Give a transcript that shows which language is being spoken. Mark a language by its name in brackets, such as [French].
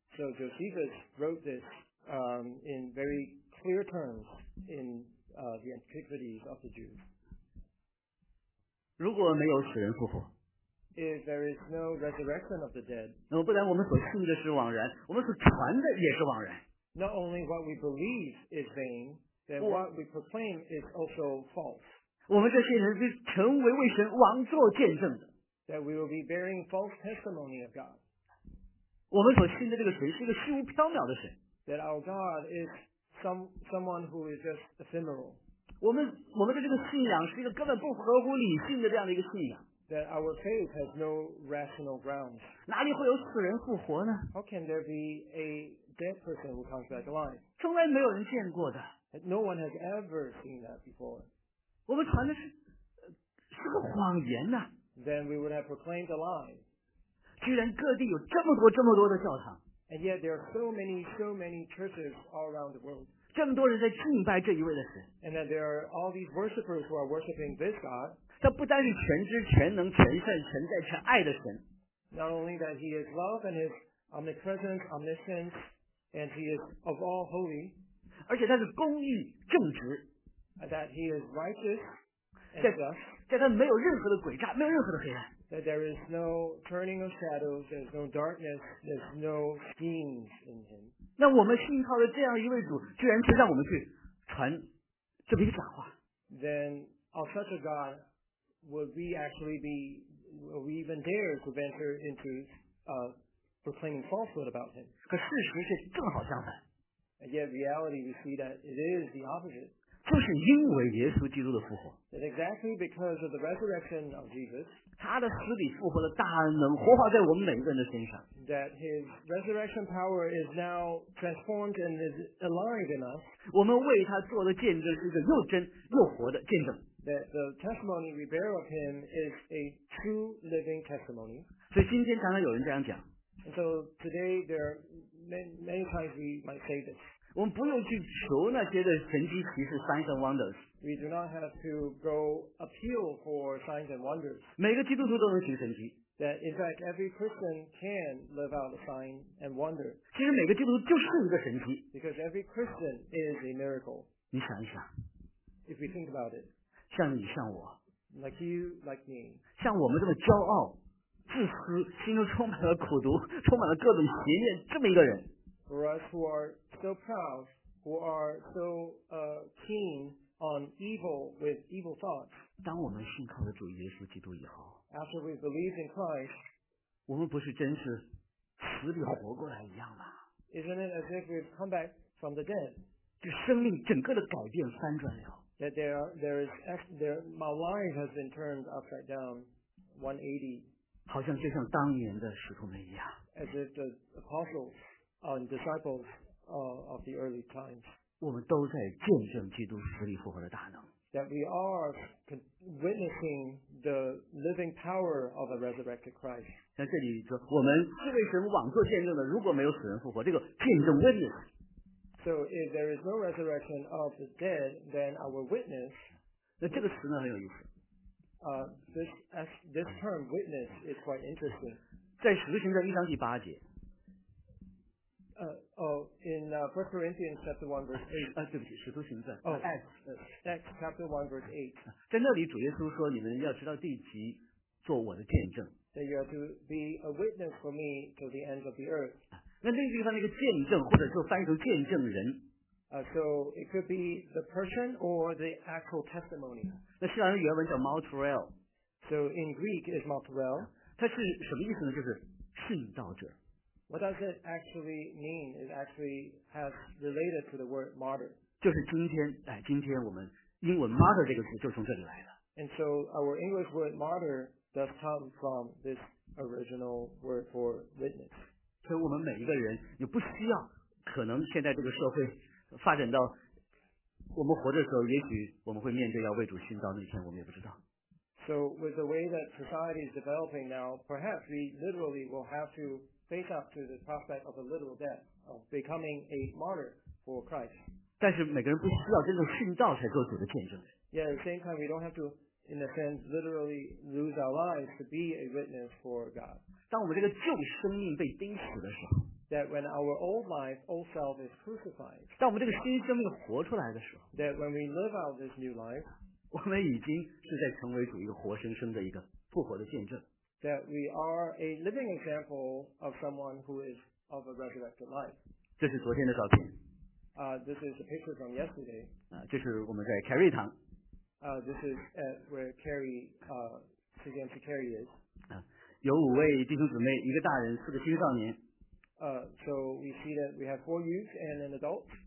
[English] So Josephus wrote this in very clear terms in the Antiquities of the Jews. [Chinese] 如果没有死人复活, [English] if there is no resurrection of the dead, [Chinese] 那么不然我们所信的是枉然, 我们所传的也是枉然, [English] not only what we believe is vain, then what we proclaim is also false. [Chinese] 我们这些人是成为为神枉作见证的, [English] that we will be bearing false testimony of God. [Chinese] 我们所信的这个神, 是一个虚无缥缈的神, [English] that our God is someone who is just ephemeral. [Chinese] 我们的这个信仰, 是一个根本不合乎理性的这样的一个信仰, [English] that our faith has no rational grounds. [Chinese] 哪里会有死人复活呢? [English] How can there be a dead person who comes back alive? [Chinese] 从来没有人见过的。 [English] No one has ever seen that before. [Chinese] 我们传的是个谎言呢。 [English] Then we would have proclaimed a lie. [Chinese] 居然各地有这么多这么多的教堂。 [English] And yet there are so many churches all around the world. [Chinese] 这么多人在敬拜这一位的神。 [English] And that there are all these worshippers who are worshipping this God. [Chinese] 他不单是全知全能全善全在全爱的神, [English] not only that he is love and his omnipresent, omniscient, and he is of all holy, [Chinese] 而且他是公义正直, [English] that he is righteous [Chinese] 在他没有任何的诡诈，没有任何的黑暗。 [English] That there is no turning of shadows, there's no darkness, there's no schemes in him. [Chinese] 那我们信靠的这样一位主，居然却让我们去传这么一个假话。 [English] Then of such a God, would we actually be, would we even dare to venture into, proclaiming falsehood about him? [Chinese] 可事实却正好相反。 [English] And yet reality, we see that it is the opposite. [Chinese] 就是因为耶稣基督的复活 [English] exactly because of the resurrection of Jesus, [Chinese] 他的死里复活的大恩能活化在我们每个人的身上 [English] that his resurrection power is now transformed and is alive in us, [Chinese] 我们为他做的见证是一个又真又活的见证 [English] that the testimony we bear of him is a true living testimony [Chinese] 所以今天常常有人这样讲 [English] and so today there are many times we might say this [Chinese] 我们不用去求那些的神迹奇事 [English] signs and wonders. We do not have to go appeal for signs and wonders. [Chinese] 每个基督徒都能行神迹。 [English] That in fact every Christian can live out a sign and wonder. [Chinese] 其实每个基督徒就是一个神迹。 [English] Because every Christian is a miracle. [Chinese] 你想一想。 [English] If we think about it. [Chinese] 像你像我。 [English] Like you, like me. [Chinese] 像我们这么骄傲、自私、心中充满了苦毒、充满了各种邪念这么一个人。 [English] For us who are so proud, who are so keen on evil with evil thoughts, [Chinese] 当我们信靠了主耶稣基督以后 [English] after we believe in Christ, [Chinese] 我们不是真是死里活过来一样吗 [English] Isn't it as if we've come back from the dead? [Chinese] 就生命整个的改变翻转了 [English] That my life has been turned upside down 180, [Chinese] 好像就像当年的使徒们一样 [English] as if the apostlesOn disciples of the early times, [Chinese] 我们都在见证基督死里复活的大能 [English] that we are witnessing the living power of a resurrected Christ. [Chinese] 像这里说，我们是为神枉做见证的。如果没有死人复活，这个见证 witness. [English] So if there is no resurrection of the dead, then our witness. [Chinese] 那这个词呢很有意思。 [English] This term witness is quite interesting. [Chinese] 在使徒行传一章第八节。 [English] First Corinthians chapter 1 verse 8. [Chinese] 对不起，使徒行传。 [English] Acts chapter 1 verse 8. [Chinese] 在那里主耶稣说，你们要直到地极做我的见证。 [English] That you are to be a witness for me to the ends of the earth. [Chinese] 那那个地方那个见证，或者说翻译成见证人。 [English] So it could be the person or the actual testimony. [Chinese] 那希腊人原文叫 martyrel. [English] So in Greek is martyrel. [Chinese] 它是什么意思呢？就是殉道者。 [English] What does it actually mean? It actually has related to the word martyr. [Chinese] 就是今天，哎，今天我们英文 martyr 这个词就从这里来了。 [English] And so our English word martyr does come from this original word for witness. [Chinese] 所以我们每一个人也不需要，可能现在这个社会发展到我们活着的时候，也许我们会面对要为主殉道那天，我们也不知道。 [English] So with the way that society is developing now, perhaps we literally will have to. Face up to the prospect of a literal death, of becoming a martyr for Christ. [Chinese] 但是每个人不需要真正殉道才做主的见证。 [English] Yet at the same time, we don't have to, in a sense, literally lose our lives to be a witness for God. [Chinese] 当我们这个旧生命被钉死的时候 [English] ，that when our old life, old self is crucified. [Chinese] 当我们这个新生命活出来的时候 [English] ，that when we live out this new life, [Chinese] 我们已经是在成为主一个活生生的一个复活的见证。 [English] That we are a living example of someone who is of a resurrected life. [Chinese] 这是昨天的照片。 [English] This is a picture from yesterday. [Chinese] 这是我们在凯瑞堂。 [English] This is at where Carrie, CGMC Carrie is. [Chinese] 有五位弟兄姊妹，一个大人，四个青少年。 [English] So we see that we have four youth and an adult.